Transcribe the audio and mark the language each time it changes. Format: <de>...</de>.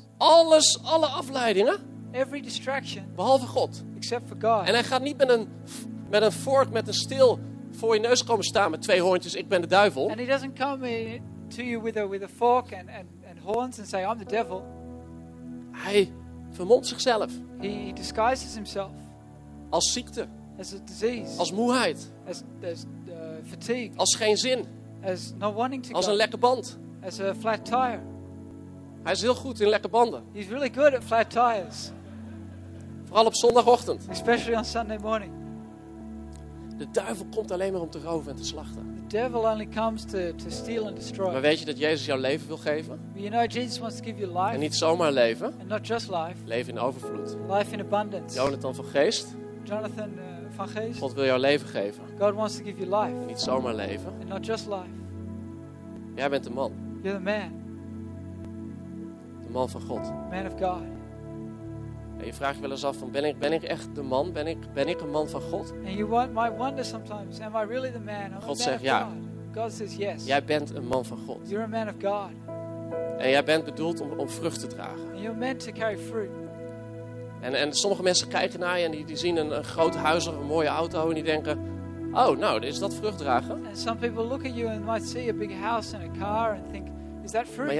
<nl>alles, alle afleidingen,</nl> <en>every distraction,</en> <nl>behalve God.</nl> <en>Except for God.</en> <nl>En hij gaat niet met een vork, met een steel voor je neus komen staan met twee hoortjes: ik ben de duivel.</nl> <en>And he doesn't come in to you with a fork and horns and say I'm the devil.</en> <nl>Hij vermomt zichzelf.</nl> <en>He disguises himself</en> <nl>als ziekte.</nl> <en>As a disease.</en> <nl>Als moeheid.</nl> <en>As fatigue.</en> <nl>Als geen zin.</nl> <en>As not wanting to</en> <nl>als een lekke band.</nl> <en>As a flat tire.</en> <nl>Hij is heel goed in lekke banden.</nl> <en>He's really good at flat tires.</en> <nl>Vooral op zondagochtend.</nl> <en>Especially on Sunday morning.</en> <nl>De duivel komt alleen maar om te roven en te slachten.</nl> <en>The devil only comes to steal and destroy.</en> <nl>Maar weet je dat Jezus jouw leven wil geven?</nl> <en>You know Jesus wants to give you life.</en> <nl>En niet zomaar leven.</nl> <en>And not just life.</en> <nl>Leven in overvloed.</nl> <en>Life in abundance.</en> <nl>Jonathan van Geest.</nl> <en>Jonathan van Geest.</en> <nl>God wil jouw leven geven.</nl> <en>God wants to give you life.</en> <nl>En niet zomaar leven.</nl> <en>And not just life.</en> <nl>Jij bent de man.</nl> <en>You're the man.</en> <nl>De man van God.</nl> <en>Man of God.</en> <nl>En je vraagt je wel eens af van ben ik echt de man? Ben ik een man van God?</nl> <en>And you might wonder sometimes, am I really the man?</en> <nl>God zegt ja.</nl> <en>God says yes.</en> <nl>Jij bent een man van God.</nl> <en>You're a man of God.</en> <nl>En jij bent bedoeld om vrucht te dragen.</nl> <en>And you're meant to carry fruit.</en> <nl>En sommige mensen kijken naar je en die zien een groot huis of een mooie auto en die denken, oh, nou, is dat vrucht dragen?</nl> <en>And some people look at you and might see a big house and a car and think, is that fruit?</en>